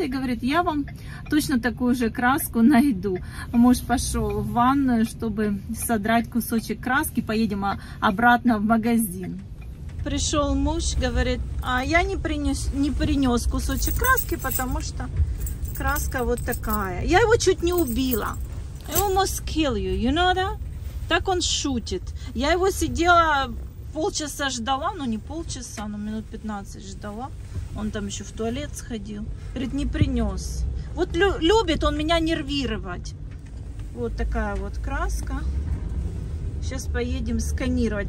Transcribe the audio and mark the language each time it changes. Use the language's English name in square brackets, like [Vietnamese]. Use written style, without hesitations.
[Russian] И говорит, я вам точно такую же краску найду. Муж пошел в ванную, чтобы содрать кусочек краски, поедем обратно в магазин. Пришел муж, говорит, а я не принес кусочек краски, потому что краска вот такая. Я его чуть не убила. [English] I almost kill you, you know that? [Russian] Так он шутит. Я его сидела полчаса ждала, ну не полчаса, но минут 15 ждала. Он там еще в туалет сходил. Говорит, не принес. Вот любит он меня нервировать. Вот такая вот краска. Сейчас поедем сканировать.